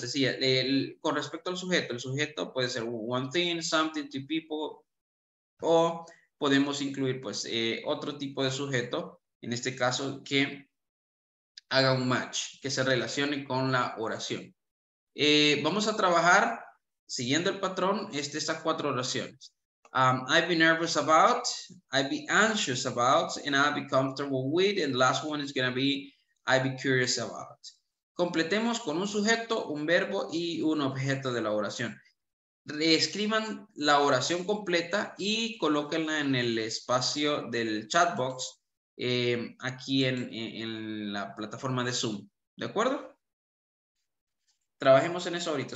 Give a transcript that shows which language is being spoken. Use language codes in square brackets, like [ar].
[es] Decía, con respecto al sujeto, el sujeto puede ser [en] one thing, something, two people, [es] o podemos incluir, pues, otro tipo de sujeto, en este caso, que haga un match, que se relacione con la oración. Vamos a trabajar, siguiendo el patrón, estas cuatro oraciones. [en] I'd be nervous about, I'd be anxious about, and I'd be comfortable with, and the last one is going to be, I'd be curious about. [es] Completemos con un sujeto, un verbo y un objeto de la oración. Reescriban la oración completa y colóquenla en el espacio del chat box aquí en la plataforma de Zoom. ¿De acuerdo? Trabajemos en eso ahorita.